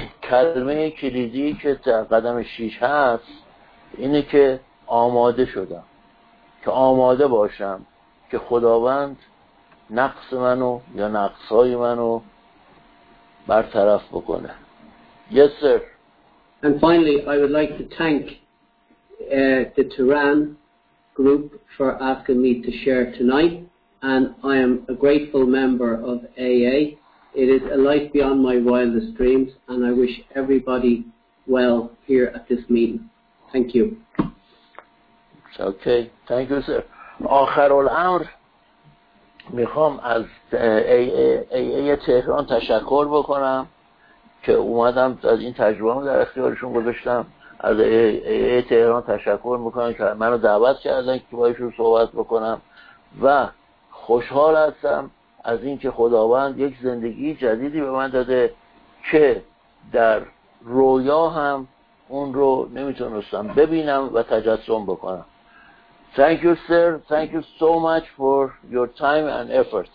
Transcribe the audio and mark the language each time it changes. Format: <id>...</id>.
<fa>کلمه کلیدی که در قدم 6 هست اینه که آماده شدم، که آماده باشم که خداوند نقص منو یا نقصای منو برطرف بکنه.</fa> <en>Yes, sir. And finally, I would like to thank the Turan group for asking me to share tonight. And I am a grateful member of AA. It is a life beyond my wildest dreams. And I wish everybody well here at this meeting. Thank you. Okay. Thank you, sir.</en> <fa>آخر الامر میخوام از AA تهران تشکر بکنم که اومدم از این تجربه رو در اختیارشون گذاشتم. از AA تهران تشکر میکنم که منو دعوت کردن که باهاشون صحبت بکنم و خوشحال هستم از اینکه خداوند یک زندگی جدیدی به من داده که در رویا هم اون رو نمیتونستم ببینم و تجسم بکنم.</fa> <en>Thank you, sir. Thank you so much for your time and effort.</en>